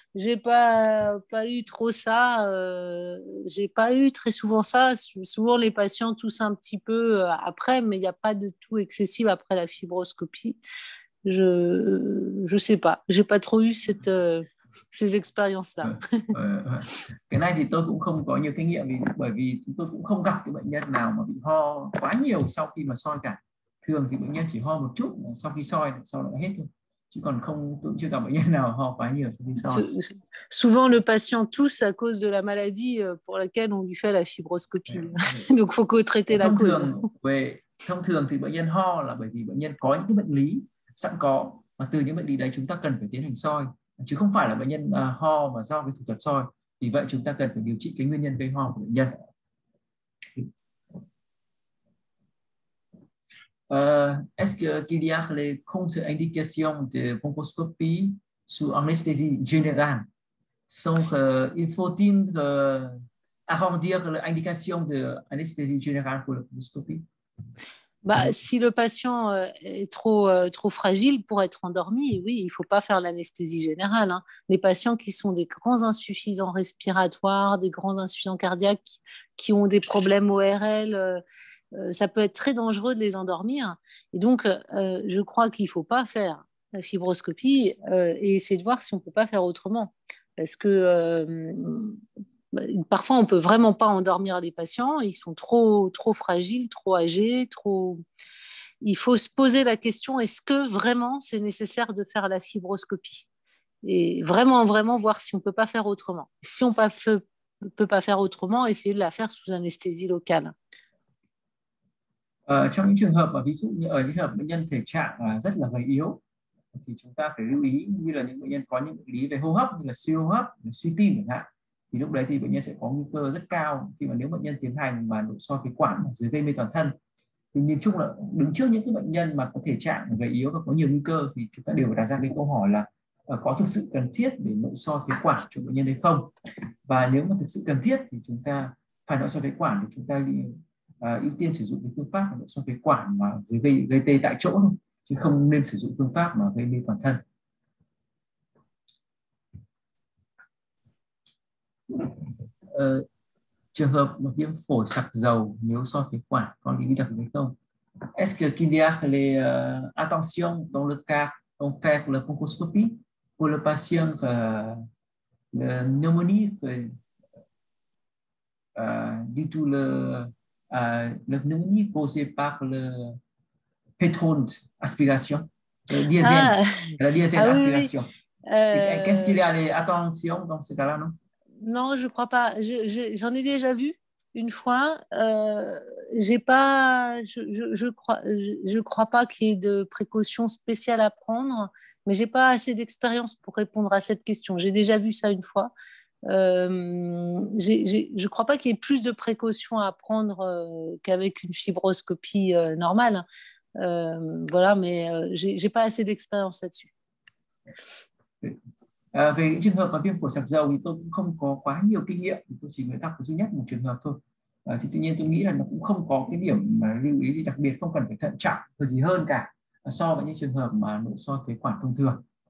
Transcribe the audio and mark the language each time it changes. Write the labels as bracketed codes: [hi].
[fr] J'ai pas eu trop ça. J'ai pas eu très souvent ça. Souvent les patients toussent un petit peu après, mais il n'y a pas de toux excessive après la fibroscopie. Je sais pas. J'ai pas trop eu ces expériences là. [vi] Cái này thì tôi cũng không có nhiều kinh nghiệm bởi vì tôi cũng không gặp cái bệnh nhân nào mà bị ho quá nhiều sau khi mà soi cả. Thường thì bệnh nhân chỉ ho một chút sau khi soi, sau đó hết thôi. Chứ còn không, tôi chưa gặp bệnh nhân nào ho quá nhiều sau khi soi. [fr] Souvent le patient tousse à cause de la maladie pour laquelle on lui fait la fibroscopie. Donc faut que traiter la cause. [vi] Thông thường thì bệnh nhân ho là bởi vì bệnh nhân có những cái bệnh lý sẵn có, mà từ những bệnh lý đấy chúng ta cần phải tiến hành soi, chứ không phải là bệnh nhân ho mà do cái thủ thuật soi. Vì vậy chúng ta cần phải điều trị cái nguyên nhân gây ho của bệnh nhân. [fr] Est-ce qu'il y a les contre-indications de bronchoscopie sous anesthésie générale? Donc, il faut-il arrondir l'indication de anesthésie générale pour la bronchoscopie? Si le patient est trop fragile pour être endormi, oui, il ne faut pas faire l'anesthésie générale. Hein. Les patients qui sont des grands insuffisants respiratoires, des grands insuffisants cardiaques, qui ont des problèmes ORL, ça peut être très dangereux de les endormir. Et donc, je crois qu'il ne faut pas faire la fibroscopie et essayer de voir si on ne peut pas faire autrement. Parce que parfois, on ne peut vraiment pas endormir les patients. Ils sont trop fragiles, trop âgés. Il faut se poser la question, est-ce que vraiment c'est nécessaire de faire la fibroscopie? Et vraiment voir si on ne peut pas faire autrement. Si on ne peut pas faire autrement, essayer de la faire sous anesthésie locale. [vi] Trong những trường hợp mà ví dụ như ở những hợp bệnh nhân thể trạng rất là gầy yếu thì chúng ta phải lưu ý như là những bệnh nhân có những lý về hô hấp như là siêu hô hấp, suy tim chẳng hạn, thì lúc đấy thì bệnh nhân sẽ có nguy cơ rất cao khi mà nếu bệnh nhân tiến hành mà nội soi phế quản dưới gây mê toàn thân. Thì nhìn chung là đứng trước những cái bệnh nhân mà có thể trạng gầy yếu và có nhiều nguy cơ thì chúng ta đều phải đặt ra cái câu hỏi là có thực sự cần thiết để nội soi phế quản cho bệnh nhân hay không, và nếu mà thực sự cần thiết thì chúng ta phải nội soi phế quản thì chúng ta đi ưu tiên sử dụng cái phương pháp nội soi phế quản mà gây tê tại chỗ thôi, chứ không nên sử dụng phương pháp mà gây mê toàn thân. Trường hợp viêm phổi sặc dầu nếu soi phế quản có ý nghĩa đặc biệt không? [fr] Est-ce qu'il y a les attentions dans le cas on fait la bronchoscopie pour le patient la pneumonie du tout le la pneumonie causée par le pétrole d'aspiration, le diesel, la diesel d'aspiration. Qu'est-ce qu'il y a les attentions dans ce cas-là, non? Non, je ne crois pas. J'en ai déjà vu une fois. Je ne crois pas qu'il y ait de précautions spéciales à prendre, mais je n'ai pas assez d'expérience pour répondre à cette question. J'ai déjà vu ça une fois. Je ne crois pas qu'il y ait plus de précautions à prendre qu'avec une fibroscopie normale. Voilà, mais je n'ai pas assez d'expérience là-dessus. [vi] Về những trường hợp mà viêm phổi sạc dầu thì tôi cũng không có quá nhiều kinh nghiệm, tôi chỉ mới gặp duy nhất một trường hợp thôi. Thì tuy nhiên tôi nghĩ là nó cũng không có cái điểm mà lưu ý gì đặc biệt, không cần phải thận trọng hay gì hơn cả so với những trường hợp mà nội soi phế quản thông thường.